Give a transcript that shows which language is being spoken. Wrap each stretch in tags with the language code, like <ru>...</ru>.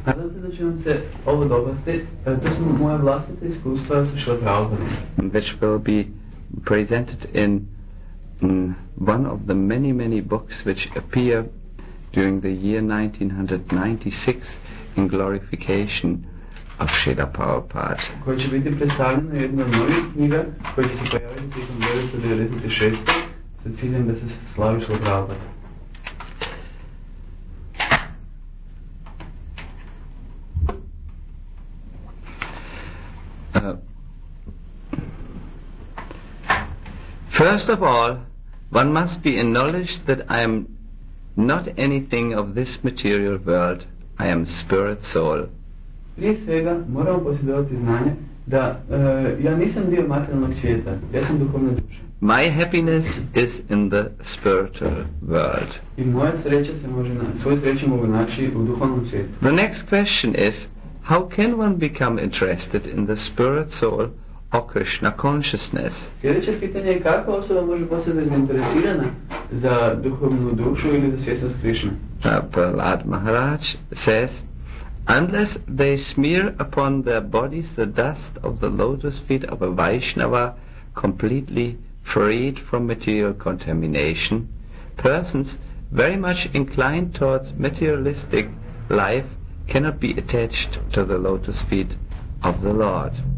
<hr>Nadam se da će vam se ovo dopasti, to su moje vlastite iskustva sa Srila Prabhupada.</hr> <en>Which will be presented in one of the many, many books which appear during the year 1996 in glorification of Srila Prabhupada.</en> <hr>Koje će biti predstavljena jedna nova knjiga koja će se pojaviti tijekom 1996. sa ciljem da se slavi Srila Prabhupada.</hr> <en>First of all, one must be acknowledged that I am not anything of this material world. I am spirit soul.</en> <hr>Prije svega moramo posjedovati znanje da ja nisam dio materijalnog svijeta, ja sam duhovna duša.</hr> <en>My happiness is in the spiritual world.</en> <hr>I moja sreća se može naći, svoju sreću mogu naći u duhovnom svijetu.</hr> <en>The next question is, how can one become interested in the spirit soul or Krishna consciousness?</en> <hr>Sljedeće pitanje je, kako osoba može postati zainteresirana za duhovnu dušu ili za svjesnost Krishna?</hr> <en>Prahlad Maharaj says, unless they smear upon their bodies the dust of the lotus feet of a Vaishnava completely freed from material contamination, persons very much inclined towards materialistic life cannot be attached to the lotus feet of the Lord.</en>